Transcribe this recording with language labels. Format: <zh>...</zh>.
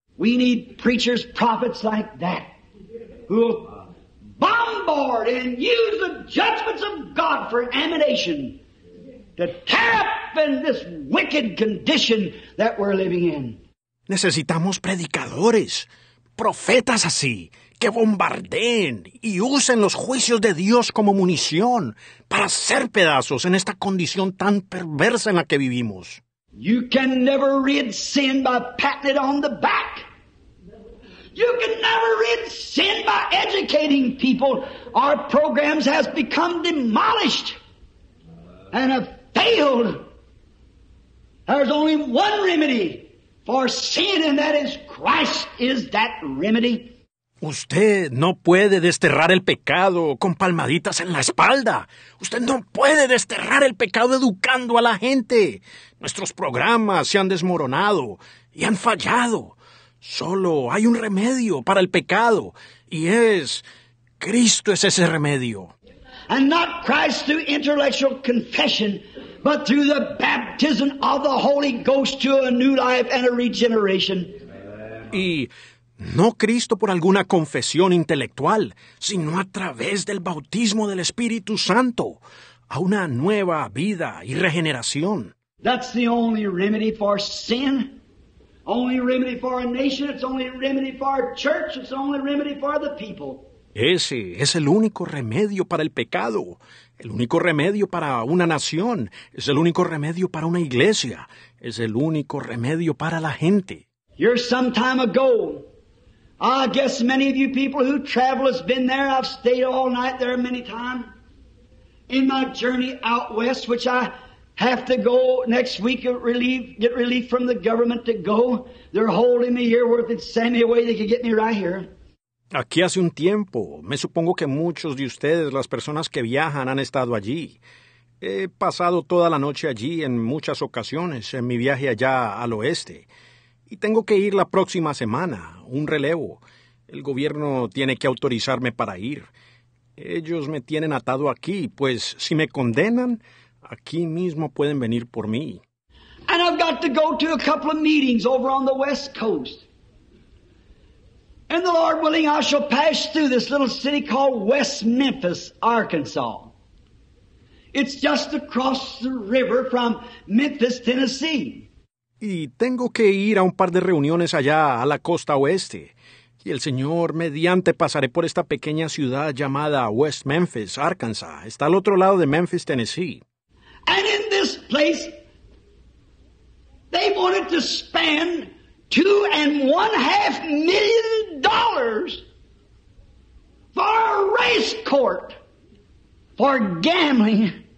<en>We need preachers, prophets like that, who will bombard and use the judgments of God for emanation to tear up in this wicked condition that we're living in.</en> <es>Necesitamos predicadores, profetas así, que bombardeen y usen los juicios de Dios como munición para hacer pedazos en esta condición tan perversa en la que vivimos.</es> <en>You can never rid sin by patting it on the back. You can never rid sin by educating people. Our programs has become demolished and have failed. There's only one remedy. For sin, and that is Christ, is that remedy.</en> <es>Usted no puede desterrar el pecado con palmaditas en la espalda. Usted no puede desterrar el pecado educando a la gente. Nuestros programas se han desmoronado y han fallado. Solo hay un remedio para el pecado, y es Cristo es ese remedio.</es> <en>and not Christ through intellectual confession, but through the baptism of the Holy Ghost to a new life and a regeneration.</en> <es>Y no Cristo por alguna confesión intelectual, sino a través del bautismo del Espíritu Santo, a una nueva vida y regeneración.</es> <en>That's the only remedy for sin. Only remedy for a nation, it's only remedy for a church, it's only remedy for the people.</en> <es>Ese es el único remedio para el pecado, el único remedio para una nación, es el único remedio para una iglesia, es el único remedio para la gente.</es> <en>Here's some time ago, I guess many of you people who travel has been there, I've stayed all night there many times, in my journey out west, which I have to go next week, get relief from the government to go. They're holding me here where if they'd send me away, they could get me right here.</en> <es>Aquí hace un tiempo, me supongo que muchos de ustedes, las personas que viajan, han estado allí. He pasado toda la noche allí en muchas ocasiones en mi viaje allá al oeste. Y tengo que ir la próxima semana, un relevo. El gobierno tiene que autorizarme para ir. Ellos me tienen atado aquí, pues si me condenan, aquí mismo pueden venir por mí.</es> <en>And I've got to go to a couple of meetings over on the west coast. And the Lord willing, I shall pass through this little city called West Memphis, Arkansas. It's just across the river from Memphis, Tennessee.</en> <es>Y tengo que ir a un par de reuniones allá a la costa oeste. Y el Señor mediante pasaré por esta pequeña ciudad llamada West Memphis, Arkansas. Está al otro lado de Memphis, Tennessee.</es> <en>And in this place, they wanted to spend $2.5 million for a race court for gambling.</en>